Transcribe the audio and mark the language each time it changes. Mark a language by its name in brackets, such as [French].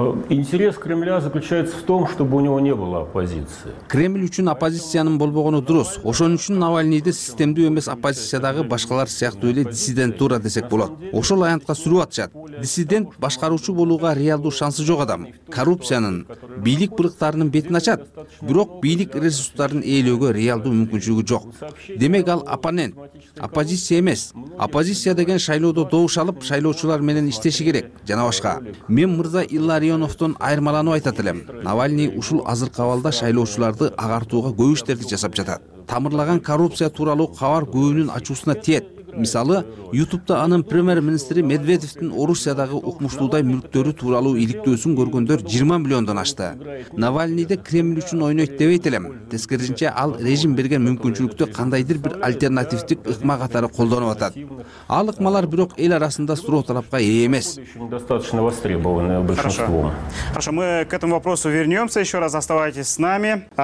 [Russian] Интерес Кремля заключается в том, чтобы у него не было оппозиции. [Kyrgyz] Кремль үчүн оппозициянын болбогону дурус. Ошон үчүн Навальныйды системдүү эмес оппозициядагы башкалар сыяктуу эле диссидентура десек болот. Ошол аянтка сүрүп атышат. Диссидент башкаруучу болууга реалдуу шансы жок адам. Коррупциянын, бийлик бырыктарынын бетин ачат. Бирок бийлик ресурстарын ээлөөгө реалдуу мүмкүнчүлүгү жок. Демек ал оппонент, оппозиция эмес. Оппозиция деген шайлоодо добуш алып, шайлоочулар менен иштеши керек жана башка. Мен Мырза Илларионовдун айырмаланып айтат элем. Навальный ушул азыркы абалда шайлоочуларды агартууга көбүштерди жасап жатат. Тамырлаган коррупция тууралуу кабар күйүүнүн ачуусуна тиет. Мисалы, YouTube'da анын премьер-министри Медведевдин Орусиядагы укмуштуудай мүлктөрү тууралуу иликтөөсүн көргөндөр 20 миллиондон ашты. Навальныйды Кремль үчүн ойнойт деп айтылам. Тескерисинче ал режим берген мүмкүнчүлүктү кандайдыр бир альтернативдик ыкма катары колдонуп атат. Ал ыкмалар бирок эл арасында суроо талапка ээ эмес. [Russian] Достаточно востребованное большинством. Хорошо, мы к этому вопросу вернемся. Еще раз оставайтесь с нами.